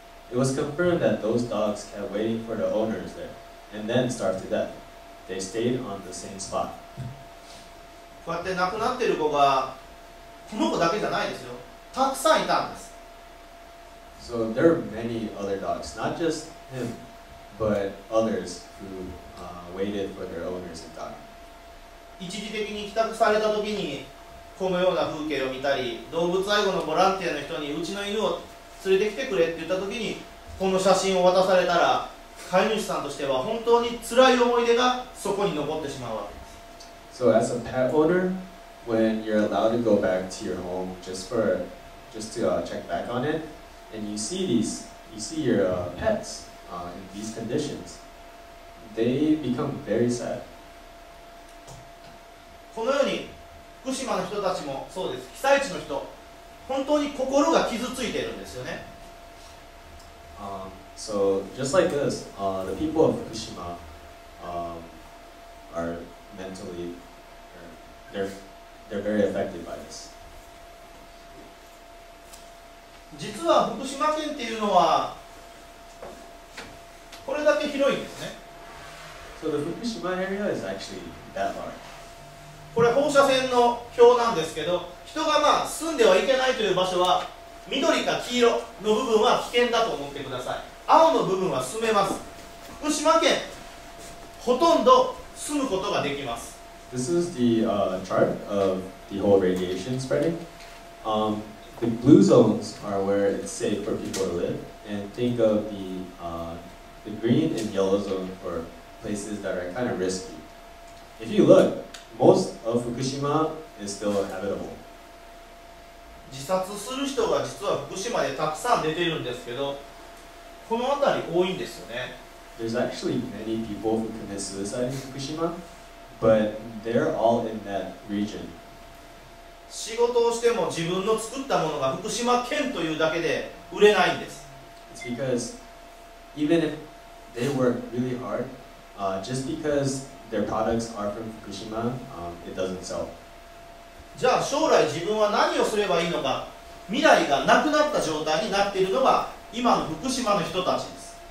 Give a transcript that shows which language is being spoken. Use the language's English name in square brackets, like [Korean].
[English] It was confirmed that those dogs kept waiting for the owners there and then starved to death. They stayed on the same spot. [Japanese] こうやって亡くなっている子がこの子だけじゃないですよ。たくさんいたんです。 [English] So there are many other dogs, not just him, but others who waited for their owners and died. [Japanese] 一時的に帰宅された時にこのような風景を見たり、動物愛護のボランティアの人にうちの犬を連れてきてくれって言った時にこの写真を渡されたら、飼い主さんとしては本当に辛い思い出がそこに残ってしまうわけです。 [English] So as a pet owner, when you're allowed to go back to your home just to check back on it, and you see your pets in these conditions, they become very sad. [Japanese] このように福島の人たちもそうです。被災地の人、本当に心が傷ついているんですよね。 [English] So just like this, the people of Fukushima are mentally, they're very affected by this. [Japanese] 実は福島県っていうのはこれだけ広いんですね。 [English] So the Fukushima area is actually that large. [Japanese] これ放射線の表なんですけど、人がまあ住んではいけないという場所は緑か黄色の部分は危険だと思ってください。青の部分は住めます。福島県、ほとんど住むことができます。 [English] This is the chart of the whole radiation spreading. The blue zones are where it's safe for people to live. And think of the green and yellow zone for places that are kind of risky. If you look, most of Fukushima is still habitable. [Japanese] 自殺する人が実は福島でたくさん出ているんですけど、この辺り多いんですよね。 [English] There's actually many people who commit suicide in Fukushima, but they're all in that region. [Japanese] 仕事をしても自分の作ったものが福島県というだけで売れないんです。 [English] It's because even if they work really hard, just because their products are from Fukushima, it doesn't sell. [Japanese] じゃあ将来自分は何をすればいいのか、未来がなくなった状態になっているのが今の福島の人たちです。